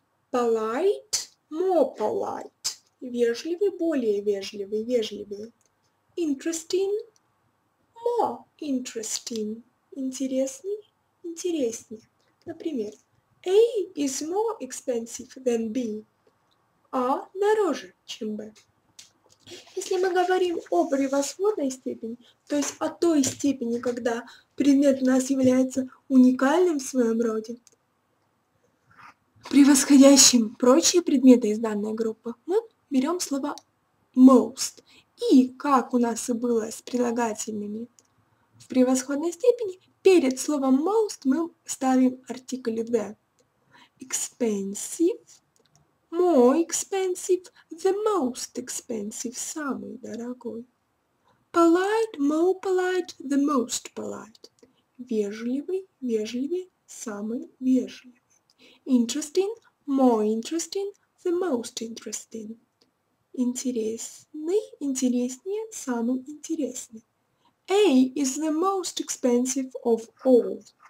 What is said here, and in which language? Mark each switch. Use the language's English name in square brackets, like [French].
[English] Polite. More polite. [Russian] Вежливый, более вежливый, вежливее. [English] Interesting. More interesting. [Russian] Интересный, интереснее. [English] Например, A is more expensive than B. [Russian] А дороже, чем B. Если мы говорим о превосходной степени, то есть о той степени, когда предмет у нас является уникальным в своем роде, превосходящим прочие предметы из данной группы, мы берем слово most. И как у нас и было с прилагательными в превосходной степени, перед словом most мы ставим артикль the. [English] Expensive, more expensive, the most expensive, [Russian] самый дорогой. [English] Polite, more polite, the most polite. [Russian] Вежливый, вежливее, самый вежливый. [English] Interesting, more interesting, the most interesting. [Russian] Интересный, интереснее, самый интересный. [English] A is the most expensive of all.